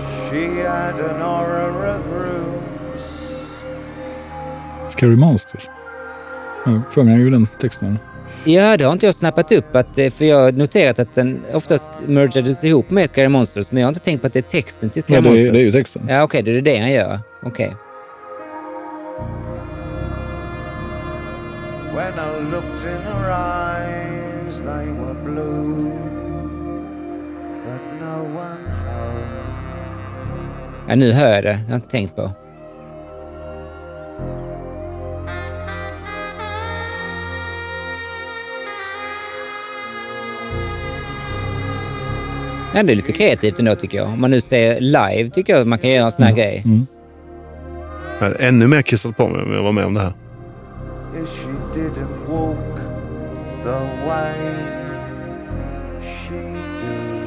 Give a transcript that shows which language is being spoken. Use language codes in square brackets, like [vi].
[en] She had an aura of rooms. Scary Monsters. [sv] Sjöng han ju den texten. Ja, det har inte jag snappat upp, för jag har noterat att den oftast mergades ihop med Scary Monsters, men jag har inte tänkt på att det är texten till Scary Monsters. Det är ju texten. Ja, okej, det är det han gör. Okej. [en] When I looked in her eyes, they were blue, but no one home. [sv] Ja, nu hör jag det. Jag har inte tänkt på. [en] Thank you. [sv] Ändå lite kreativt ändå tycker jag. Om man nu säger live tycker jag att man kan göra en sån här grej. Mm. Jag är ännu mer kissat på mig om jag var med om det här. [en] If she didn't walk the way she do.